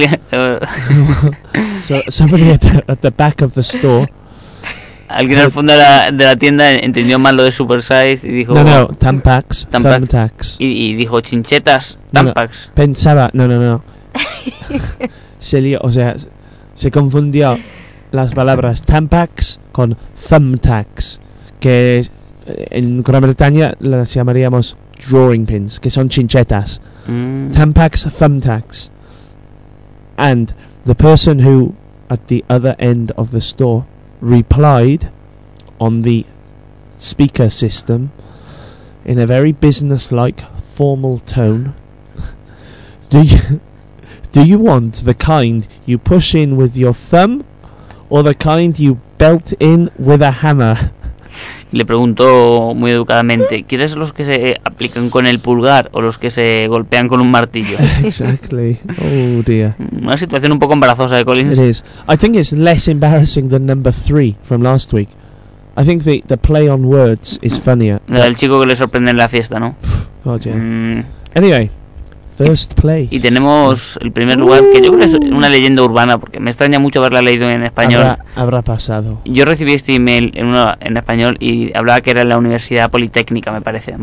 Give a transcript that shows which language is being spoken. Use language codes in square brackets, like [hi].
[en] So somebody at the back of the store. [es] Alguien al fondo de la tienda entendió mal lo de Supersize y dijo... [en] No, Tampax, thumbtacks. [es] Y dijo chinchetas, Tampax. No, pensaba, no. Se confundió las palabras Tampax con thumbtacks, que en Gran Bretaña las llamaríamos drawing pins, que son chinchetas. [en] Tampax, thumbtacks. And the person who, at the other end of the store, replied on the speaker system in a very business-like, formal tone, Do you want the kind you push in with your thumb or the kind you belt in with a hammer? [es] le pregunto muy educadamente, ¿quieres los que se aplican con el pulgar o los que se golpean con un martillo? [en] Exactly. Oh, dear. [es] Una situación un poco embarazosa de Collins. [en] It is. I think it's less embarrassing than number three from last week. I think the play on words is funnier. [es] La del chico que le sorprende en la fiesta, ¿no? [en] Oh, yeah. Anyway, first place. [es] Y tenemos el primer lugar, que yo creo que es una leyenda urbana, porque me extraña mucho haberla leído en español. Habrá pasado. Yo recibí este email en español y hablaba que era la Universidad Politécnica, me parece.